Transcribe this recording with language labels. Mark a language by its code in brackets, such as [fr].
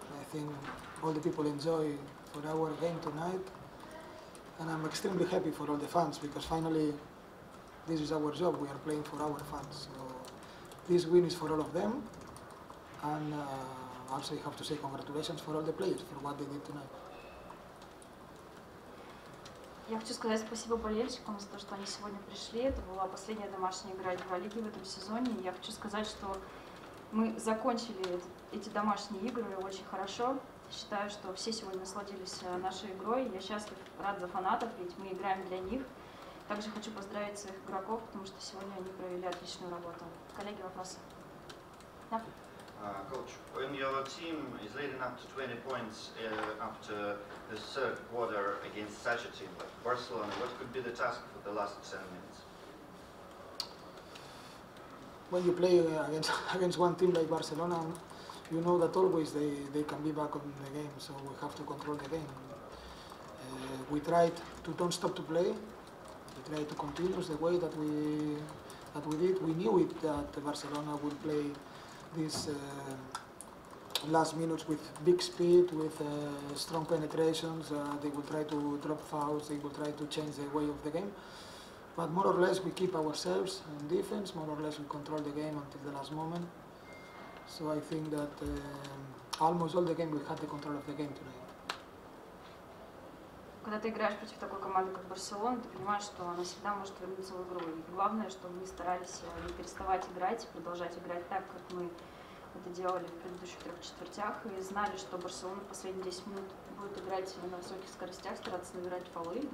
[en] I think all the people enjoy for our game tonight, and I'm extremely happy for all the fans because finally. This is our job. We are playing for our fans. So this win is for all of them. And also, I have to say congratulations for all the players for what they did tonight. [ru] Я хочу сказать спасибо болельщикам за то, что они сегодня пришли. Это была последняя домашняя игра Евролиги в этом сезоне. Я хочу сказать, что мы закончили эти домашние игры очень хорошо. Считаю, что все сегодня насладились нашей игрой. Я счастлив, рад за фанатов, ведь мы играем для них. Также хочу поздравить своих игроков, потому что сегодня они провели отличную работу. Коллеги, вопросы? Да. [en] Coach, when your team is leading up to 20 points after the third quarter against such a team like Barcelona, what could be the task for the last 10 minutes? When you play against one team like Barcelona, you know that always they can be back on the game, so we have to control the game. We tried to don't stop to play. We tried to continue the way that we did. We knew it that Barcelona would play these last minutes with big speed, with strong penetrations. They would try to drop fouls. They would try to change the way of the game. But more or less, we keep ourselves in defense. More or less, we control the game until the last moment. So I think that almost all the game, we had the control of the game tonight. [ru] Когда ты играешь против такой команды, как Барселона, ты понимаешь, что она всегда может вернуться в игру. И главное, чтобы мы старались не переставать играть и продолжать играть так, как мы это делали в предыдущих трех четвертях. И знали, что Барселона последние 10 минут будет играть на высоких скоростях, стараться набирать фолы.